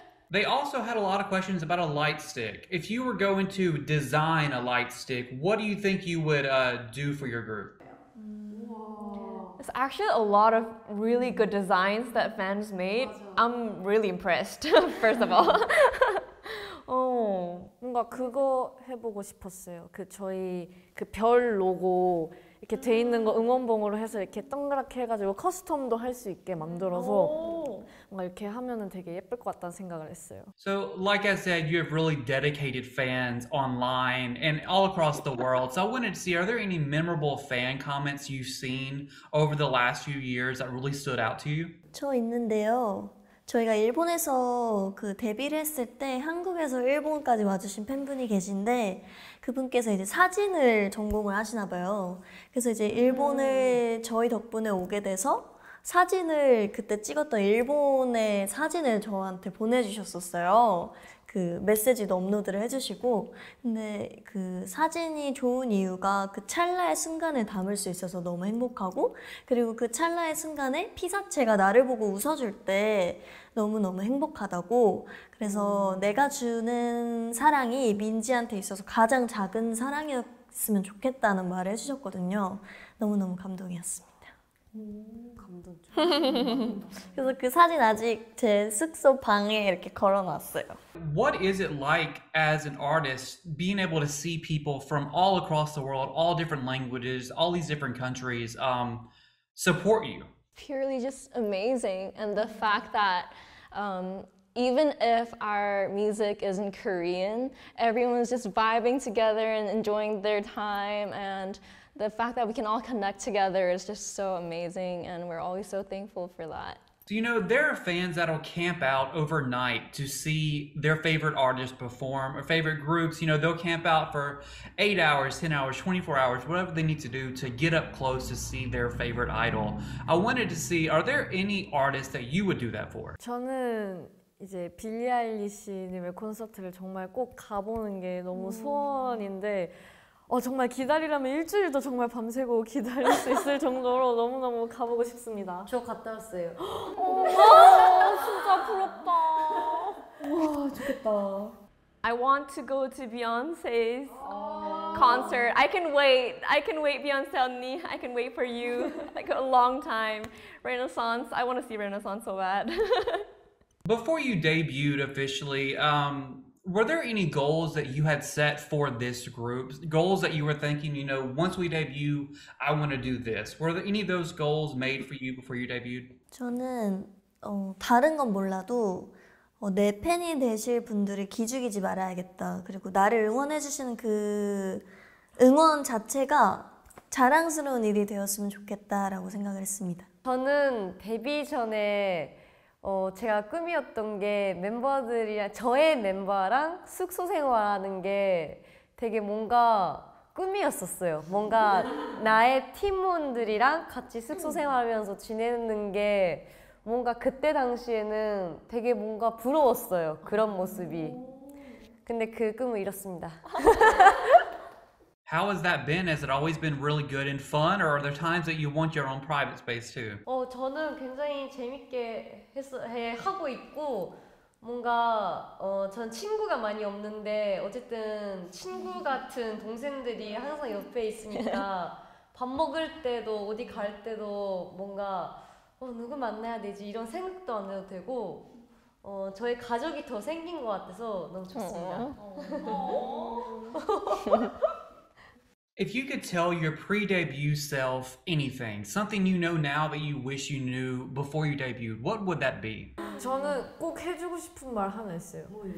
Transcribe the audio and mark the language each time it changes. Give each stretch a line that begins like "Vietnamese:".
English: They also had a lot of questions about a light stick. If you were going to design a light stick, what do you think you would do for your group? It's actually a lot of really good designs that fans made.
Korean: 맞아.
English: I'm really impressed, first of all.
Korean: 어, 뭔가 그거 해보고 싶었어요. 그 저희 그 별 로고 이렇게 돼 있는 거 응원봉으로 해서 이렇게 동그랗게 해가지고 커스텀도 할 수 있게 만들어서 뭔가 이렇게 하면은 되게 예쁠 것 같다는 생각을 했어요.
English: So like I said, you have really dedicated fans online and all across the world. So I wanted to see, are there any memorable fan comments you've seen over the last few years that really stood out to you?
Korean: 저 있는데요. 저희가 일본에서 그 데뷔를 했을 때 한국에서 일본까지 와주신 팬분이 계신데 그분께서 이제 사진을 전공을 하시나 봐요. 그래서 이제 일본을 저희 덕분에 오게 돼서 사진을 그때 찍었던 일본의 사진을 저한테 보내주셨었어요. 그 메시지도 업로드를 해주시고 근데 그 사진이 좋은 이유가 그 찰나의 순간을 담을 수 있어서 너무 행복하고 그리고 그 찰나의 순간에 피사체가 나를 보고 웃어줄 때 너무너무 행복하다고 그래서 내가 주는 사랑이 민지한테 있어서 가장 작은 사랑이었으면 좋겠다는 말을 해주셨거든요. 너무너무 감동이었습니다. 그래서 그 사진 아직 제 숙소 방에 이렇게 걸어놨어요.
English: What is it like as an artist being able to see people from all across the world, all different languages, all these different countries support you? Purely just amazing. And the fact that even if our music is in Korean, everyone's just vibing together and enjoying their time and the fact that we can all connect together is just so amazing, and we're always so thankful for that. So, you know, there are fans that'll camp out overnight to see their favorite artists perform, or favorite groups, you know, they'll camp out for 8 hours, 10 hours, 24 hours, whatever they need to do to get up close to see their favorite idol. I wanted to see, are there any artists that you would do that for?
Korean: 저는 이제 빌리 아일리시님의 콘서트를 정말 꼭 가보는 게 너무 소원인데 어 정말 기다리려면 일주일도 정말 밤새고 기다릴 수 있을 정도로 너무너무 가보고 싶습니다. 저 갔다 왔어요. 와 진짜 부럽다. 와 좋겠다.
English: I want to go to Beyoncé's concert. I can wait. I can wait, Beyoncé 언니. I can wait for you like a long time. Renaissance. I want to see Renaissance so bad. Before you debuted officially, were there any goals that you had set for this group? Goals that you were thinking, you know, once we debut, I want to do this. Were there any of those goals made for you before you debuted?
Korean: 저는 다른 건 몰라도 내 팬이 되실 분들을 기죽이지 말아야겠다. 그리고 나를 응원해 주시는 그 응원 자체가 자랑스러운 일이 되었으면 좋겠다라고 생각을 했습니다. 저는 데뷔 전에 제가 꿈이었던 게 멤버들이랑 저의 멤버랑 숙소 생활하는 게 되게 뭔가 꿈이었었어요. 뭔가 나의 팀원들이랑 같이 숙소 생활하면서 지내는 게 뭔가 그때 당시에는 되게 뭔가 부러웠어요. 그런 모습이. 근데 그 꿈을 이뤘습니다.
English: How has that been? Has it always been really good and fun, or are there times that you want your own private space too?
Korean: 저는 굉장히 재밌게 하고 있고 뭔가 전 친구가 많이 없는데 어쨌든 친구 같은 동생들이 항상 옆에 있으니까 밥 먹을 때도 어디 갈 때도 뭔가 누구 만나야 되지 이런 생각도 안 해도 되고 저의 가족이 더 생긴 것 같아서 너무 좋습니다.
English: If you could tell your pre-debut self anything, something you know now that you wish you knew before you debuted, what would that be?
Korean: 저는 꼭 해주고 싶은 말 하나 있어요.